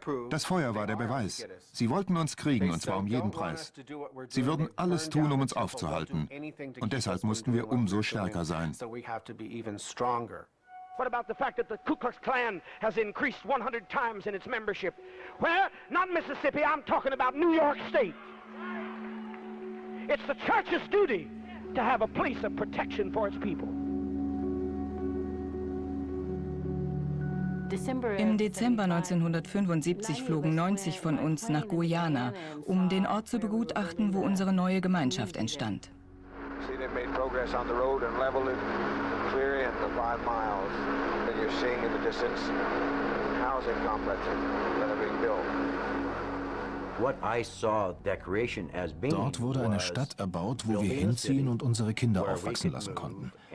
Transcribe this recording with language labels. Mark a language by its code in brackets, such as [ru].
[de] Das Feuer war der Beweis. Sie wollten uns kriegen, und zwar um jeden Preis. Sie würden alles tun, um uns aufzuhalten. Und deshalb mussten wir umso stärker sein. [en] What about the fact that the Ku Klux Klan has increased 100 times in its membership? Where? Not Mississippi, I'm talking about New York State. It's the church's duty to have a place of protection for its people. [de] Im Dezember 1975 flogen 90 von uns nach Guyana, um den Ort zu begutachten, wo unsere neue Gemeinschaft entstand. Dort wurde eine Stadt erbaut, wo wir hinziehen und unsere Kinder aufwachsen lassen konnten.